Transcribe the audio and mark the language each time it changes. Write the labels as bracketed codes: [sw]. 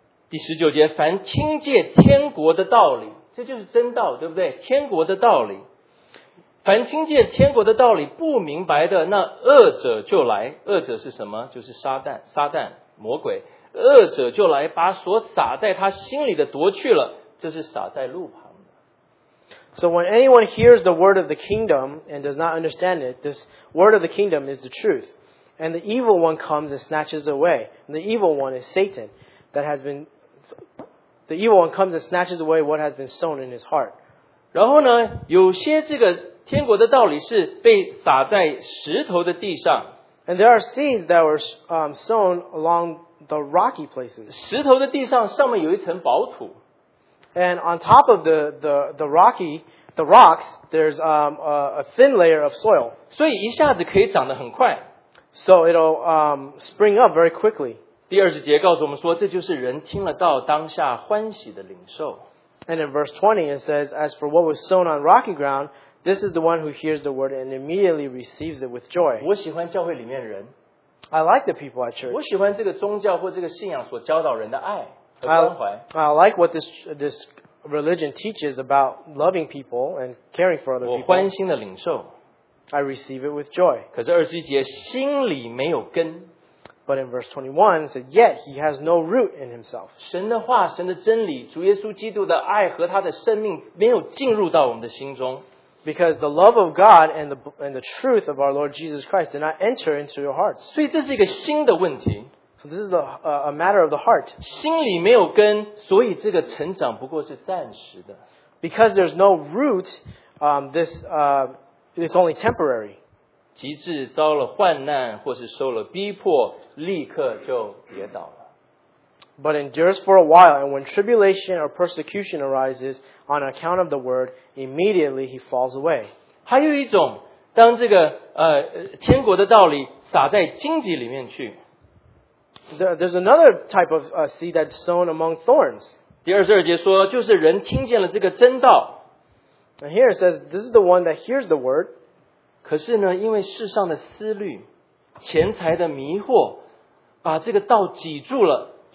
[zh] 第19节, 凡听见天国的道理, 这就是真道,对不对? 天国的道理, 凡听见天国的道理不明白的, 那恶者就来, 恶者是什么? 就是撒旦, 撒旦, 魔鬼。 [en] So when anyone hears the word of the kingdom and does not understand it, this word of the kingdom is the truth. And the evil one comes and snatches away. And the evil one is Satan that has been the evil one comes and snatches away what has been sown in his heart. [zh] 然后呢, 有些这个天国的道理是被撒在石头的地上。 [en] And there are seeds that were sown along the rocky places. [zh] 石头的地上上面有一层薄土。 [en] And on top of the rocks, there's a thin layer of soil. [zh] 所以一下子可以长得很快。 [en] So it'll spring up very quickly. [zh] 第20节告诉我们说, 这就是人听了道当下欢喜的领受。 [en] And in verse 20 it says, As for what was sown on rocky ground, this is the one who hears the word and immediately receives it with joy. [zh] 我喜欢教会里面的人。 [en] I like the people at church. [zh] 我喜欢这个宗教或这个信仰所教导人的爱和关怀。 [en] I like what this religion teaches about loving people and caring for other people. [zh] 我欢心的领受。 [en] I receive it with joy. [zh] 可是21节心里没有根。 [en] But in verse 21, it said, Yet he has no root in himself. [zh] 神的话, 神的真理, 主耶稣基督的爱和他的生命没有进入到我们的心中。 [en] Because the love of God and the truth of our Lord Jesus Christ did not enter into your hearts. [zh] 所以这是一个新的问题。 [en] So this is a matter of the heart. [zh] 心里没有根, 所以这个成长不过是暂时的。 [en] Because there's no root, it's only temporary. [zh] 极致遭了患难或是受了逼迫,立刻就跌倒了。 [en] But endures for a while, and when tribulation or persecution arises on account of the word, immediately he falls away. [zh] 还有一种, 当这个, 天国的道理撒在荆棘里面去, [en] There's another type of seed that's sown among thorns. [zh] 第22节说, 就是人听见了这个真道, [en] And here it says, this is the one that hears the word. [zh] 可是呢, 因为世上的思虑, 钱财的迷惑, 把这个道挤住了,